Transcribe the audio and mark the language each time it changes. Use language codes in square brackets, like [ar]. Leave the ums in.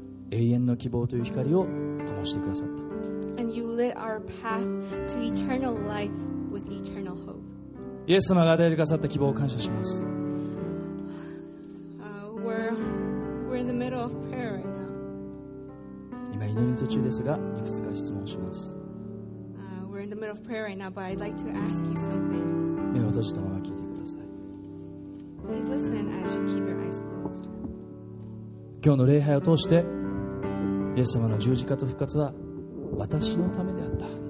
[ja] 永遠の希望という光を灯してくださった。 [en] you lit our path to eternal life with eternal hope. [ja] イエス様が与えてくださった希望を感謝します。 [en] Uh, we're, we're in the middle of prayer right now. [ja] 今祈り途中ですが、いくつか質問します。 [en] Uh, we're in the middle of prayer right now, but I'd like to ask you some things. [ja] 目を閉じたまま聞いてください。 [en] Please listen as you keep your eyes closed. [ja] 今日の礼拝を通して、イエス様の十字架と復活は私のためであった。